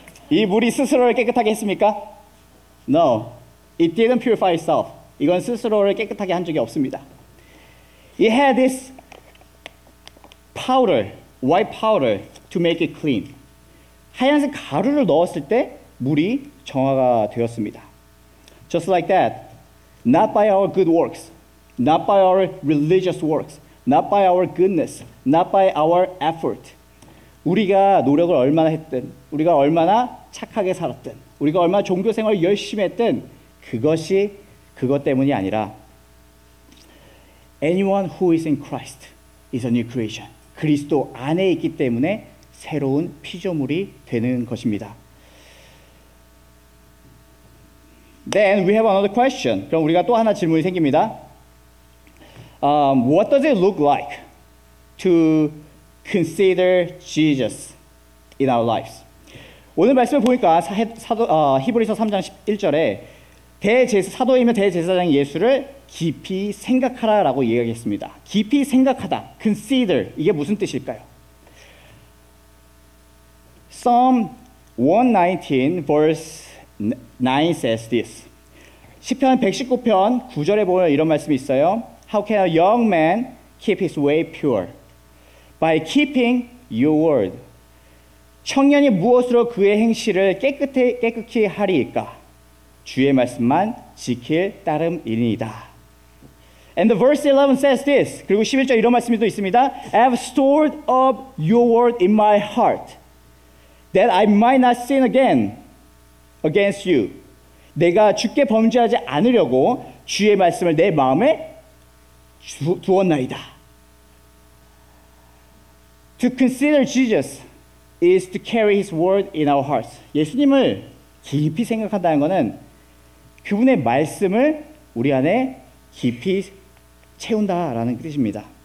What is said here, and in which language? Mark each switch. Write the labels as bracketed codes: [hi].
[ko] 이 물이 스스로를 깨끗하게 했습니까? [en] No, it didn't purify itself. [ko] 이건 스스로를 깨끗하게 한 적이 없습니다. [en] It had this powder, white powder, to make it clean. [ko] 하얀색 가루를 넣었을 때 물이 정화가 되었습니다. [en] Just like that, not by our good works, not by our religious works, not by our goodness, not by our effort. [ko] 우리가 노력을 얼마나 했든, 우리가 얼마나 착하게 살았든, 우리가 얼마나 종교 생활을 열심히 했든, 그것이 그것 때문이 아니라 [en] Anyone who is in Christ is a new creation. [ko] 그리스도 안에 있기 때문에 새로운 피조물이 되는 것입니다. [en] Then we have another question. [ko] 그럼 우리가 또 하나 질문이 생깁니다. [en] What does it look like to consider Jesus in our lives? [ko] 오늘 말씀을 보니까 히브리서 3장 11절에 사도이며 대제사장 예수를 깊이 생각하라 라고 이야기했습니다. 깊이 생각하다, consider, 이게 무슨 뜻일까요? [en] Psalm 119 verse 9 says this. [ko] 시편 119편 9절에 보면 이런 말씀이 있어요. [en] How can a young man keep his way pure? By keeping your word. [ko] 청년이 무엇으로 그의 행실을 깨끗히 하리이까? 주의 말씀만 지킬 따름이니이다. [en] And the verse 11 says this. [ko] 그리고 11절 이런 말씀이 또 있습니다. [en] I have stored up your word in my heart that I might not sin again against you. [ko] 내가 주께 범죄하지 않으려고 주의 말씀을 내 마음에 두었나이다. [en] To consider Jesus is to carry his word in our hearts. [ko] 예수님을 깊이 생각한다는 것은 그분의 말씀을 우리 안에 깊이 채운다라는 뜻입니다.